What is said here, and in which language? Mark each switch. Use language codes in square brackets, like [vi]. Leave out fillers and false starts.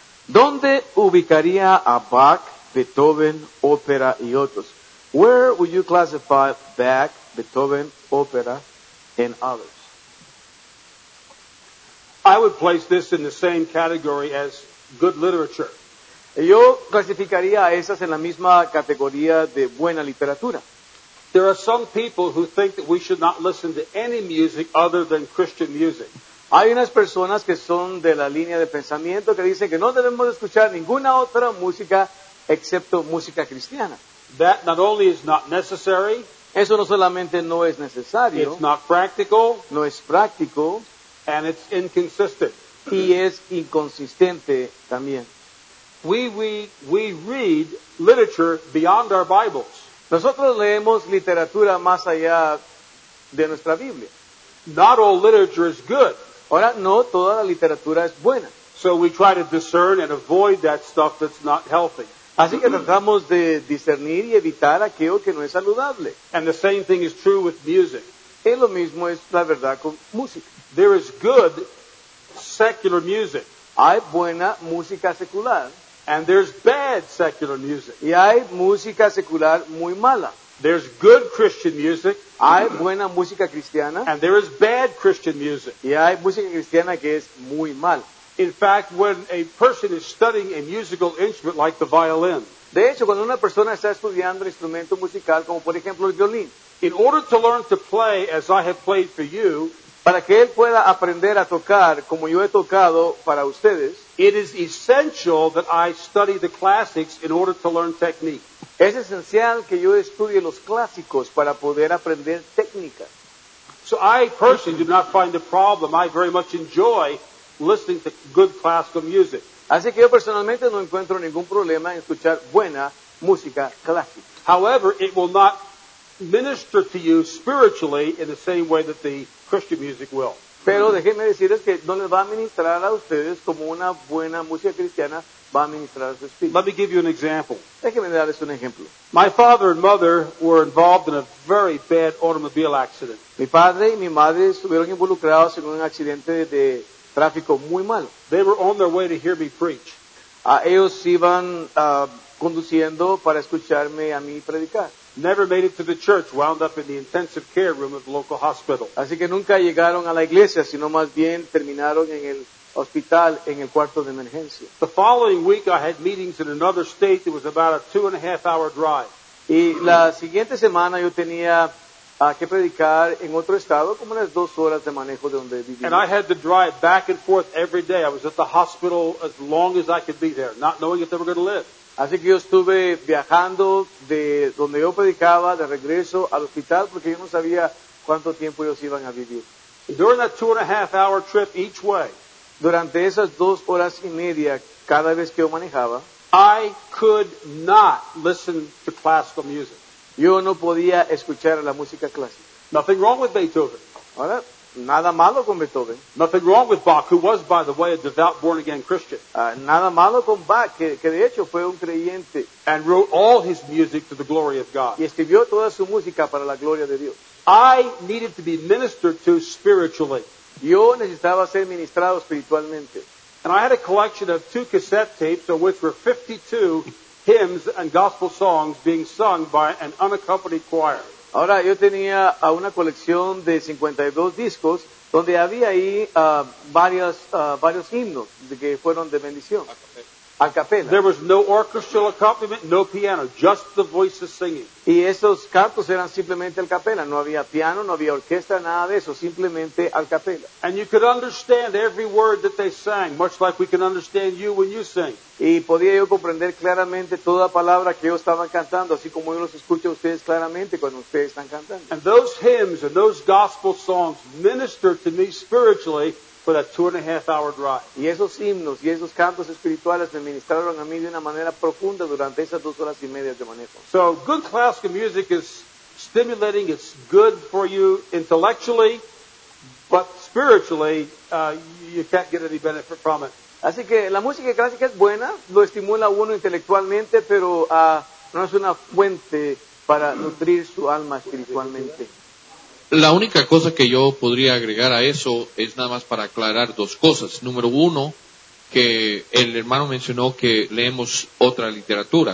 [es] ¿Dónde ubicaría a Bach, Beethoven, ópera y otros? [en] Where would you classify Bach, Beethoven, ópera, and others? I would place this in the same category as good literature. [es] Yo clasificaría a esas en la misma categoría de buena literatura. [en] There are some people who think that we should not listen to any music other than Christian music. [es] Hay unas personas que son de la línea de pensamiento que dicen que no debemos escuchar ninguna otra música excepto música cristiana. [en] That not only is not necessary. [es] Eso no solamente no es necesario. [en] It's not practical. [es] No es práctico. [en] And it's inconsistent. [es] Y es inconsistente también. [en] We read literature beyond our Bibles. [es] Nosotros leemos literatura más allá de nuestra Biblia. [en] Not all literature is good. [es] Ahora, no toda la literatura es buena. [en] So we try to discern and avoid that stuff that's not healthy. [es] Así que tratamos de discernir y evitar aquello que no es saludable. [en] And the same thing is true with music. [es] Y lo mismo es la verdad con música. [en] There is good secular music. [es] Hay buena música secular. [en] And there's bad secular music. [es] Y hay música secular muy mala. [en] There's good Christian music. [es] Hay buena música cristiana. [en] And there is bad Christian music. [es] Y hay música cristiana que es muy mala. [en] In fact, when a person is studying a musical instrument like the violin, [es] de hecho, cuando una persona está estudiando un instrumento musical, como por ejemplo el violín, [en] in order to learn to play as I have played for you, [es] para que él pueda aprender a tocar como yo he tocado para ustedes, [en] it is essential that I study the classics in order to learn technique. [es] Es esencial que yo estudie los clásicos para poder aprender técnica. [en] So I personally do not find a problem. I very much enjoy listening to good classical music. [es] Así que yo personalmente no encuentro ningún problema en escuchar buena música clásica. [en] However, it will not minister to you spiritually in the same way that the Christian music will. [es] Pero déjenme decirles que no les va a ministrar a ustedes como una buena música cristiana va a ministrar a su espíritu. [en] Let me give you an example. [es] Déjenme darles un ejemplo. [en] My father and mother were involved in a very bad automobile accident. [es] Mi padre y mi madre estuvieron involucrados en un accidente de tráfico muy malo. [en] They were on their way to hear me preach. [es] Ellos iban conduciendo para escucharme a mí predicar. [en] Never made it to the church, wound up in the intensive care room of the local hospital. [es] Así que nunca llegaron a la iglesia, sino más bien terminaron en el hospital, en el cuarto de emergencia. [en] The following week I had meetings in another state that was about a 2.5 hour drive. [es] Y la siguiente semana yo tenía que predicar en otro estado, como unas 2 horas de manejo de donde vivía. [en] And I had to drive back and forth every day. I was at the hospital as long as I could be there, not knowing if they were going to live. [es] Así que yo estuve viajando de donde yo predicaba de regreso al hospital porque yo no sabía cuánto tiempo ellos iban a vivir. [en] During that 2.5 hour trip each way, [es] durante esas 2 horas y media cada vez que yo manejaba, [en] I could not listen to classical music. [es] Yo no podía escuchar la música clásica. [en] Nothing wrong with Beethoven. [es] Ahora, nada malo con Beethoven. [en] Nothing wrong with Bach, who was, by the way, a devout born-again Christian. [es] Nada malo con Bach, que de hecho fue un creyente. [en] And wrote all his music to the glory of God. [es] Y escribió toda su música para la gloria de Dios. [en] I needed to be ministered to spiritually. [es] Yo necesitaba ser ministrado espiritualmente. [en] And I had a collection of 2 cassette tapes, of which were 52 hymns and gospel songs being sung by an unaccompanied choir. [es] Ahora, yo tenía una colección de 52 discos donde había ahí varios himnos que fueron de bendición. A capela. [en] There was no orchestral accompaniment, no piano, just the voices singing. [es] Y esos cantos eran simplemente a capela. No había piano, no había orquesta, nada de eso. Simplemente a capela. [en] And you could understand every word that they sang, much like we can understand you when you sing. [es] Y podía yo comprender claramente toda palabra que ellos estaban cantando, así como yo los escucho a ustedes claramente cuando ustedes están cantando. [en] And those hymns and those gospel songs ministered to me spiritually for that 2.5 hour drive. [es] Y esos himnos y esos cantos espirituales me ministraron a mí de una manera profunda durante esas 2 horas y media de manejo. [en] So good classical music is stimulating, it's good for you intellectually, but spiritually you can't get any benefit from it. [es] Así que la música clásica es buena, lo estimula a uno intelectualmente, pero no es una fuente para nutrir su alma espiritualmente. La única cosa que yo podría agregar a eso es nada más para aclarar 2 cosas. Número 1, que el hermano mencionó que leemos otra literatura.